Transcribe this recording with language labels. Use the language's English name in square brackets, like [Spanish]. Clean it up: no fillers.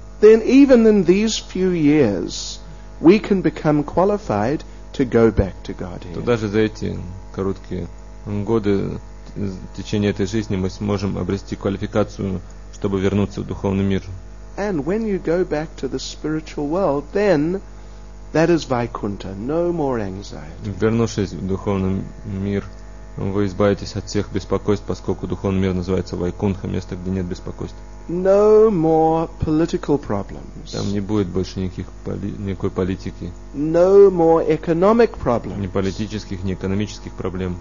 [English] then even in these few years we can become qualified to go back to Godhead. [Russian] То даже за эти короткие годы течения этой жизни мы сможем обрести квалификацию, чтобы вернуться в духовный мир. [English] And when you go back to the spiritual world, then that is Vaikuntha, no more anxiety. [Russian] Вернувшись в духовный мир, вы избавитесь от всех беспокойств, поскольку духовный мир называется Вайкунха, место, где нет беспокойств. [English] No more political problems. [Russian] Там не будет больше никакой политики. [English] No more economic problems. [Russian] Ни политических, ни экономических проблем.